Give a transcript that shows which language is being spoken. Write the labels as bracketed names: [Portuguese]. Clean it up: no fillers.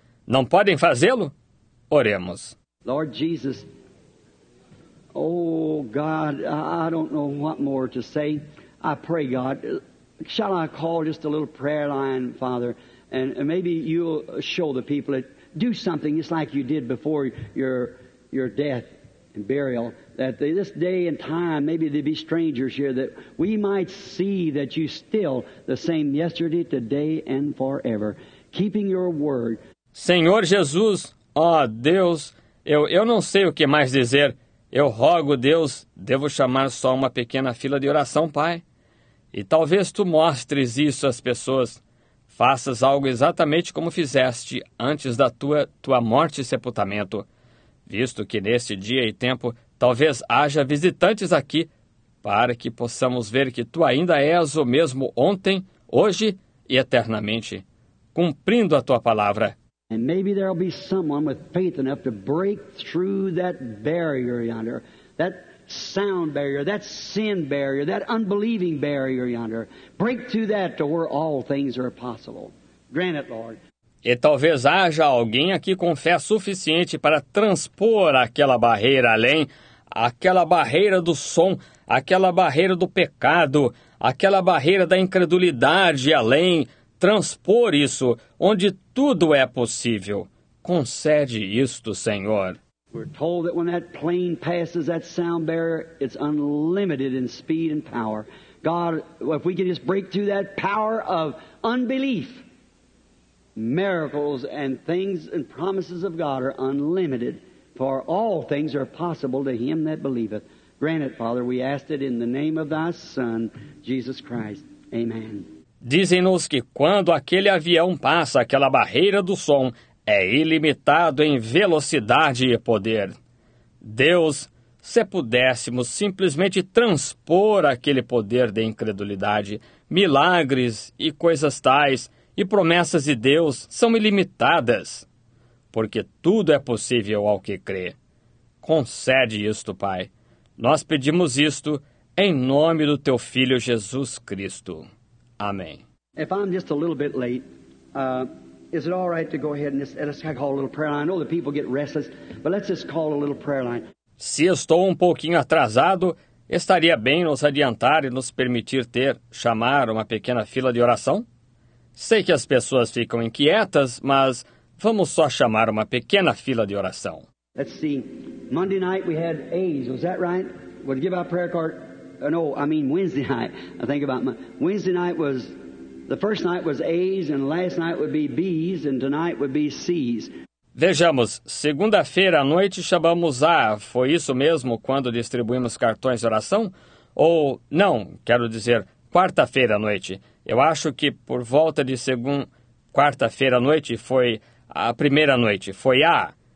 [Portuguese] Não podem fazê-lo? Oremos. [English] Lord Jesus, oh God, I don't know what more to say. I pray, God, shall I call just a little prayer line, Father, and maybe you'll show the people that do something just like you did before your death and burial, that this day and time, maybe there'd be strangers here, that we might see that you still the same yesterday, today, and forever, keeping your word. [Portuguese] Senhor Jesus, ó Deus, eu não sei o que mais dizer. Eu rogo, Deus, devo chamar só uma pequena fila de oração, Pai. E talvez tu mostres isso às pessoas. Faças algo exatamente como fizeste antes da tua morte e sepultamento. Visto que neste dia e tempo, talvez haja visitantes aqui, para que possamos ver que tu ainda és o mesmo ontem, hoje e eternamente, cumprindo a tua palavra. [English] And maybe there'll be someone with faith enough to break through that barrier yonder, that sound barrier, that sin barrier, that unbelieving barrier yonder. Break through that to where all things are possible. Grant it, Lord. [Portuguese] E talvez haja alguém aqui com fé suficiente para transpor aquela barreira além, aquela barreira do som, aquela barreira do pecado, aquela barreira da incredulidade além. Transpor isso onde tudo é possível. Concede isto, Senhor. [English] We're told that when that plane passes that sound barrier, it's unlimited in speed and power. God, if we can just break through that power of unbelief, miracles and things and promises of God are unlimited, for all things are possible to him that believeth. Grant it, Father, we ask it in the name of thy Son, Jesus Christ. Amen. [Portuguese] Dizem-nos que quando aquele avião passa aquela barreira do som, é ilimitado em velocidade e poder. Deus, se pudéssemos simplesmente transpor aquele poder de incredulidade, milagres e coisas tais e promessas de Deus são ilimitadas, porque tudo é possível ao que crê. Concede isto, Pai. Nós pedimos isto em nome do Teu Filho Jesus Cristo. Amém. [English] If I'm just a little bit late, is it all right to go ahead and let's call a little prayer line? I know the people get restless, but let's just call a little prayer line. [Portuguese] Se estou um pouquinho atrasado, estaria bem nos adiantar e nos permitir chamar uma pequena fila de oração? Sei que as pessoas ficam inquietas, mas vamos só chamar uma pequena fila de oração. [English] Let's see. Monday night we had A's. Was that right? We'll give our prayer card. No, I mean Wednesday night. I think about my Wednesday night was the first night was A's and last night would be B's and tonight would be C's. [Portuguese] Vejamos, segunda-feira à noite chamamos A. Foi isso mesmo quando distribuímos cartões de oração? Ou não, quero dizer, quarta-feira à noite. Eu acho que por volta de quarta-feira à noite foi a primeira noite, foi A.